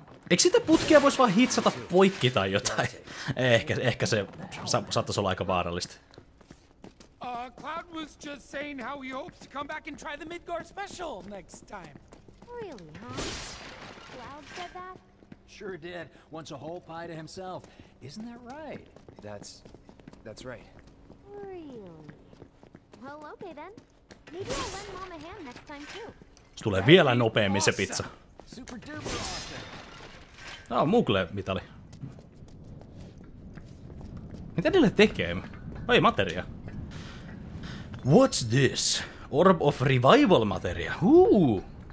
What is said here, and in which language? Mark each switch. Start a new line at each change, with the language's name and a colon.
Finnish: Eikö sitä putkia voisi vaan hitsata poikki tai jotain? Ehkä se saattaisi olla aika vaarallista.
English: Cloud was just saying how he hopes to come back and try the Midgar special next time. Really, huh? Cloud said that? Sure did. Wants a whole pie to himself. Isn't that right? That's right. Really? Well, okay then. Maybe I'll lend Mom a hand next time too.
Finnish: Se tulee vielä nopeammin se pizza.
English: Super duper awesome.
Finnish: Tää on Mugle-mitali. Mitä niille tekee? Ai materia.
English: What's this? Orb of Revival materia. Huu!